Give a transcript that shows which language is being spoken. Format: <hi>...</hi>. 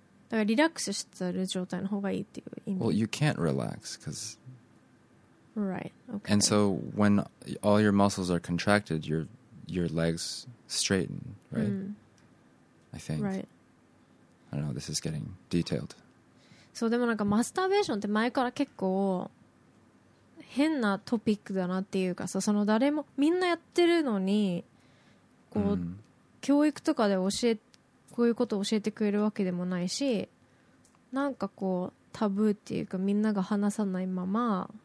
<ja>だからリラックスしてる状態の方がいいっていう意味。</ja> <en>Well, you can't relax, because... Right, okay. And so when all your muscles are contracted, your legs straighten, right? I think. Right. I don't know, this is getting detailed.</en> <ja>そう、でもなんかマスターベーションって前から結構変なトピックだなっていうかさ、その誰も、みんなやってるのに、こう、教育とかで教えて、こういうことを教えてくれるわけでもないし、なんかこうタブーっていうか、みんなが話さないまま、</ja>